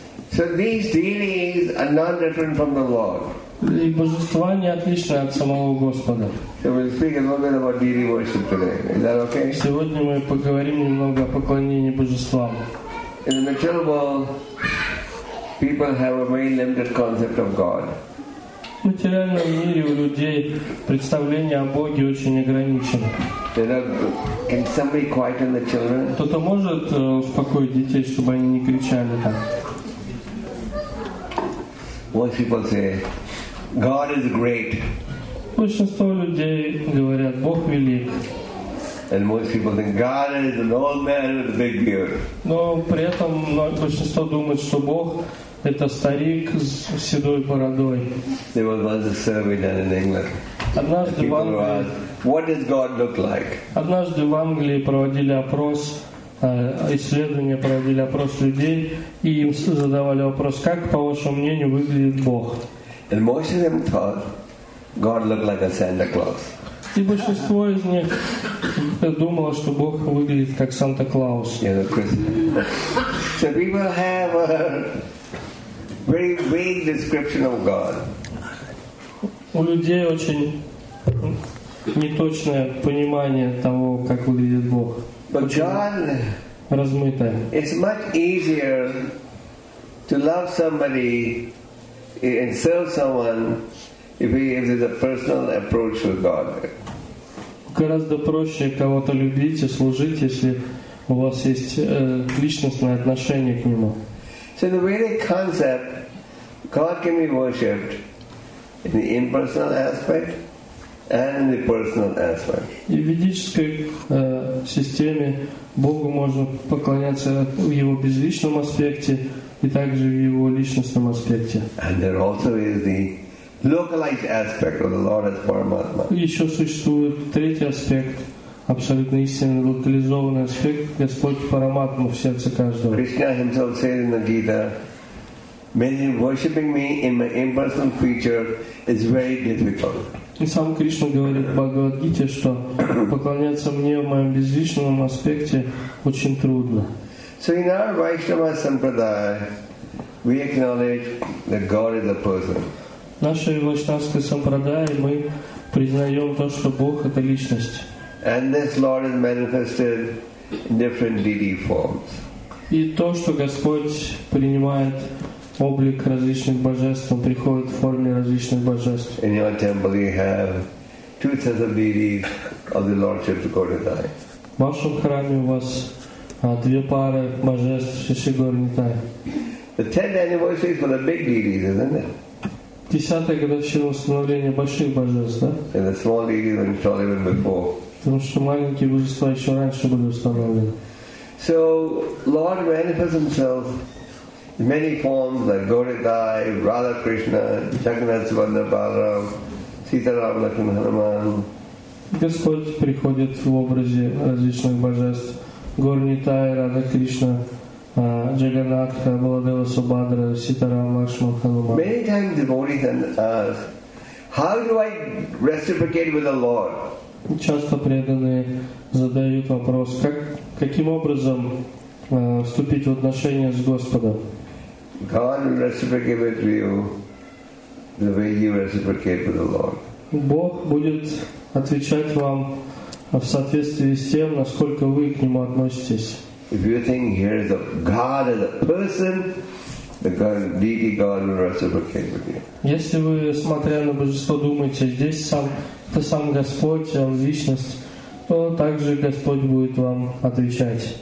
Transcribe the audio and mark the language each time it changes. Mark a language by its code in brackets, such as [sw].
[en] So these deities are not different from the Lord. [ru] И божества не отличны от самого Господа. [en] So we'll speak a little bit about deity worship today. Is that okay? [ru] Сегодня мы поговорим немного о поклонении божествам. [en] In the material world, people have a very limited concept of God. [ru] В материальном мире у людей представление о Боге очень ограничено. [en] Can somebody quieten the children? [ru] Кто-то может успокоить детей, чтобы они не кричали так? [en] Most people say, God is great. [ru] Большинство людей говорят, Бог велик. [en] And most people think God is an old man with a big beard. [ru] Но при этом большинство думает, что Бог это старик с седой бородой. [en] There was once a survey done in England. [ru] Однажды в Англии, [en] what does God look like? [ru] Однажды в Англии проводили опрос, исследования проводили опрос людей, и им задавали вопрос, как, по вашему мнению, выглядит Бог. [en] And most of them thought God looked like a Santa Claus. [ru] И большинство из них думало, что Бог выглядит как Санта-Клаус. [en] So people have a very vague description of God. [ru] У людей очень неточное понимание того, как выглядит Бог. [en] But God [ru] размытое. [en] It's much easier to love somebody and serve someone if there's a personal approach with God. [ru] Гораздо проще кого-то любить и служить, если у вас есть личностное отношение к нему. [en] So the Vedic concept, God can be worshipped in the impersonal aspect and in the personal aspect. [ru] И в ведической системе Богу можно поклоняться в его безличном аспекте и также в его личностном аспекте. [en] And there also is the localized aspect of the Lord as Paramatma. [ru] Еще существует третий аспект, абсолютно истинный, локализованный аспект, Господь Параматма в сердце каждого. [en] Krishna himself said in the Gita, many worshipping me in my impersonal feature is very difficult. [ru] И сам Кришна говорит в Бхагавад-гите, что поклоняться мне в моем безличном аспекте очень трудно. [en] So in our Vaishnava Sampradaya, we acknowledge that God is a person. [ru] В нашей вайшнавской сампрадае мы признаем то, что Бог — это личность. И то, что Господь принимает облик различных божеств, Он приходит в форме различных божеств. [en] In your temple you have two sets of deities of the Lordship of Gaudadai. [ru] В вашем храме у вас две пары божеств Шри Гауранитая. [en] The 10th anniversary is for the big deities, isn't it? [ru] 10-я годовщина установления больших божеств, да? [en] And the small deities were installed even before. [ru] Потому что маленькие божества еще раньше были установлены. [en] So Lord manifests himself many forms like Gauri-Gai, Radha Krishna, Jagannath Subhadra Balaram, Sita Ram Lakshman Hanuman. [ru] Господь приходит в образе различных божеств: Гаури-Нитай, Радха Кришна, Джаганнатха, Баладева Субхадра, Ситарама, Лакшмана, Хануман. [en] Many times devotees ask, how do I reciprocate with the Lord? [ru] Часто преданные задают вопрос, каким образом вступить в отношения с Господом? [en] God will reciprocate with you the way you reciprocate with the Lord. [ru] Бог будет отвечать вам в соответствии с тем, насколько вы к нему относитесь. [en] If you think here is a God as a person, the deity God will reciprocate with you. [ru] Если вы, смотря на божество, думаете, здесь сам, это сам Господь, он личность, то также Господь будет вам отвечать.